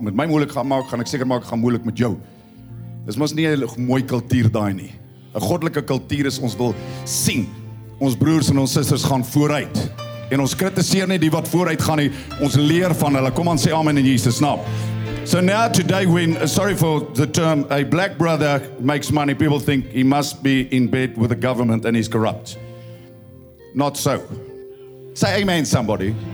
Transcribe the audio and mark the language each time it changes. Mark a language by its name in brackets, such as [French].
[Afrikaans] Met my moeilik gaan maak, gaan ek seker maak, gaan moeilik met jou. Dis mos nie 'n mooi kultuur daai nie. 'N goddelike kultuur is ons wil sien. Ons broers en ons susters gaan vooruit. En ons kritiseer nie die wat vooruit gaan nie. Ons leer van hulle. Kom aan, sê amen in Jesus naam. [English] So now today when, sorry for the term, a black brother makes money, people think he must be in bed with the government and he's corrupt. Not so. Say amen somebody.